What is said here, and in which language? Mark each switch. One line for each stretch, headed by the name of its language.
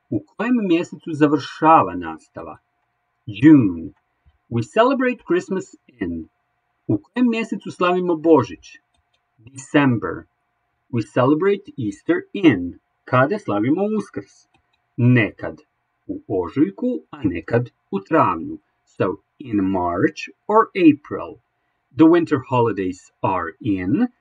Croatian: U kojem mjesecu završava nastava?
English: June. We celebrate Christmas in.
Croatian: U kojem mjesecu slavimo Božić?
English: December. We celebrate Easter in.
Croatian: Kada slavimo Uskrs? Nekad. U ožujku, a nekad u travnju.
English: So, in March or April. The winter holidays are in.